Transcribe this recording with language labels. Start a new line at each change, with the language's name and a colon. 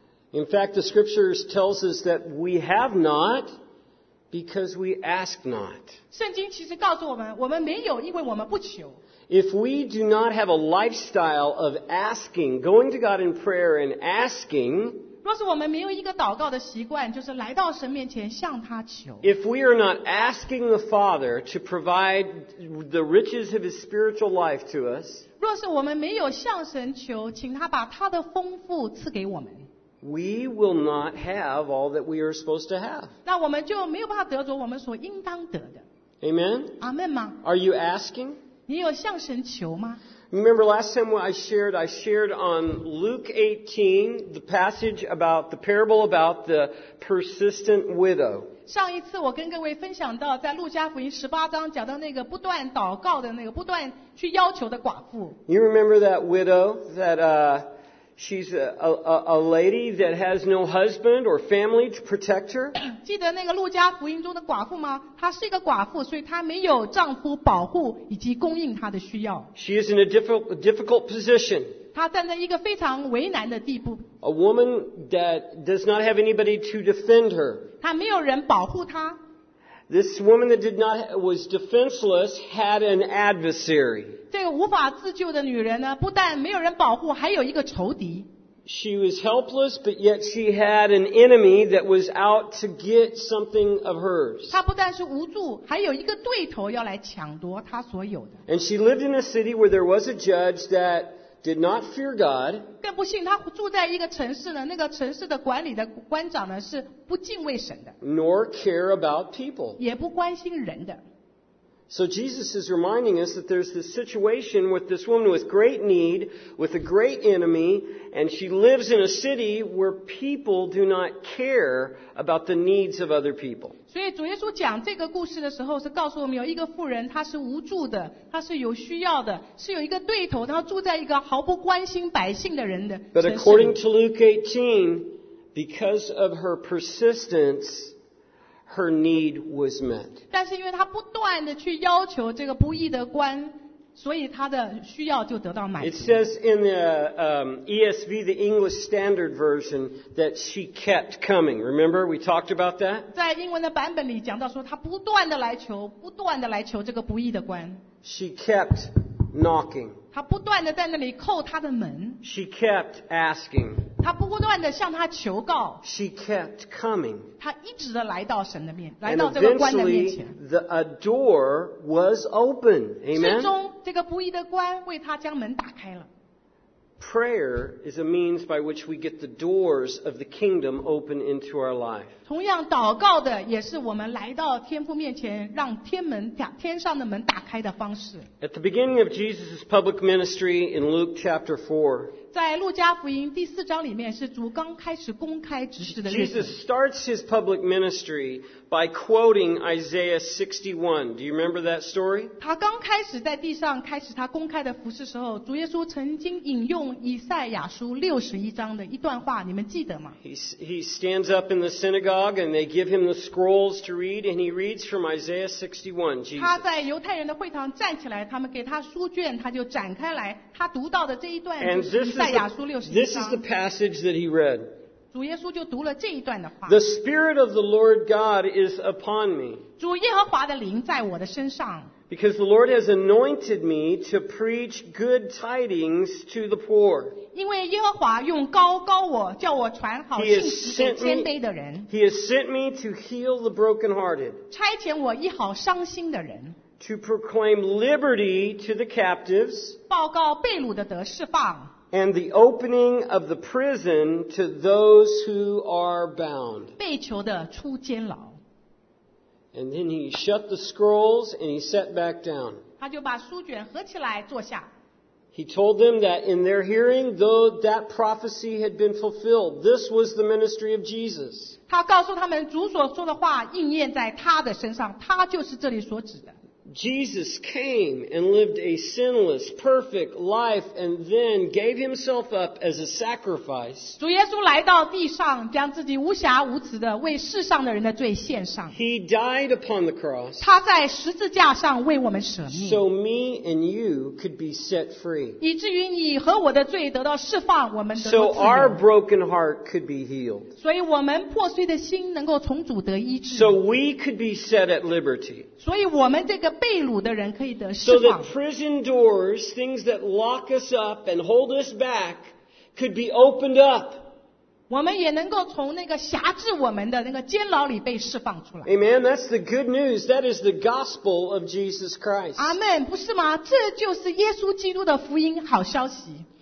English: In fact, the scriptures tells us that we have not because we ask not.
Chinese: 圣经其实告诉我们，我们没有，因为我们不求。
English: If we do not have a lifestyle of asking, going to God in prayer and asking,
Chinese: 若是我们没有一个祷告的习惯，就是来到神面前向他求。
English: If we are not asking the Father to provide the riches of His spiritual life to us,
Chinese: 若是我们没有向神求，请他把他的丰富赐给我们。
English: We will not have all that we are supposed to have.
Chinese: 那我们就没有办法得着我们所应当得的。
English: Amen.
Chinese: Amen 吗？
English: Are you asking?
Chinese: 你有向神求吗？
English: Remember last time when I shared on Luke 18, the passage about the parable about the persistent widow.
Chinese: 上一次我跟各位分享到，在路加福音十八章讲到那个不断祷告的那个不断。
English: You remember that widow that she's a lady that has no husband or family to protect her?
Chinese: 记得那个路加福音中的寡妇吗？她是一个寡妇，所以她没有丈夫保护以及供应她的需要。
English: She is in a difficult position.
Chinese: 她站在一个非常为难的地步。
English: A woman that does not have anybody to defend her.
Chinese: 她没有人保护她。
English: This woman that did not was defenseless had an adversary.
Chinese: 这个无法自救的女人呢，不但没有人保护，还有一个仇敌。
English: She was helpless, but yet she had an enemy that was out to get something of hers.
Chinese: 她不但是无助，还有一个对头要来抢夺她所有的。
English: And she lived in a city where there was a judge that did not fear God.
Chinese: 更不幸，她住在一个城市呢，那个城市的管理的官长呢是。不敬畏神的
English: nor care about people.
Chinese: 也不关心人的
English: So Jesus is reminding us that there's this situation with this woman with great need, with a great enemy, and she lives in a city where people do not care about the needs of other people.
Chinese: 所以主耶稣讲这个故事的时候是告诉我们有一个妇人她是无助的她是有需要的是有一个对头她住在一个毫不关心百姓的人的
English: But according to Luke 18,Because of her persistence, her need was met.
Chinese: 但是因为她不断地去要求这个不义的官，所以他的需要就得到满足。
English: It says in the ESV, the English Standard Version, that she kept coming. Remember, we talked about that?
Chinese: 在英文的版本里讲到说她不断地来求，不断地来求这个不义的官。
English: She kept knocking.
Chinese: 她不断地在那里叩他的门。
English: She kept asking.
Chinese: 她不断地向他求告。
English: She kept coming.
Chinese: 她一直地来到神的面，来到这个官的面前。
English: And eventually, the a door was open. Amen.
Chinese: 最终这个不义的官为他将门打开了。
English: Prayer is a means by which we get the doors of the kingdom open into our life.
Chinese: 同样祷告的也是我们来到天父面前让天门天上的门打开的方式。
English: At the beginning of Jesus' public ministry in Luke chapter 4,
Chinese: 在路加福音第四章里面是主刚开始公开执事的日子。
English: Jesus starts his public ministry by quoting Isaiah 61. Do you remember that story?
Chinese: 他刚开始在地上开始他公开的服事时候，主耶稣曾经引用以赛亚书61章的一段话，你们记得吗？
English: He stands up in the synagogue and they give him the scrolls to read and he reads from Isaiah 61. Jesus.
Chinese: 他在犹太人的会堂站起来，他们给他书卷，他就展开来，他读到的这一段就是
English: This is the passage that he read.
Chinese: 主耶稣就读了这一段的话。
English: The Spirit of the Lord God is upon me.
Chinese: 主耶和华的灵在我的身上。
English: Because the Lord has anointed me to preach good tidings to the poor.
Chinese: 因为耶和华用膏膏我，叫我传好信息给谦卑的人。
English: He has sent me to heal the brokenhearted.
Chinese: 差遣我医好伤心的人。
English: To proclaim liberty to the captives.
Chinese: 报告被掳的得释放。
English: And the opening of the prison to those who are bound.
Chinese: 被囚的出监牢。
English: And then he shut the scrolls and he sat back down.
Chinese: 他就把书卷合起来坐下。
English: He told them that in their hearing, though that prophecy had been fulfilled, this was the ministry of Jesus.
Chinese: 他告诉他们主所说的话应验在他的身上，他就是这里所指的。
English: Jesus came and lived a sinless, perfect life and then gave himself up as a sacrifice.
Chinese: 主耶稣来到地上，将自己无瑕无疵的为世上的人的罪献上。
English: He died upon the cross.
Chinese: 他在十字架上为我们舍命。
English: So me and you could be set free.
Chinese: 以至于你和我的罪得到释放，我们得到自由。
English: So our broken heart could be healed.
Chinese: 所以我们破碎的心能够从主得医治。
English: So we could be set at liberty.
Chinese: 所以我们这个被掳的人可以得释放。
English: So that prison doors, things that lock us up and hold us back, could be opened up.
Chinese: 我们也能够从那个辖制我们的那个监牢里被释放出来。
English: Amen. That's the good news. That is the gospel of Jesus Christ.
Chinese: Amen. 不是吗？这就是耶稣基督的福音好消息。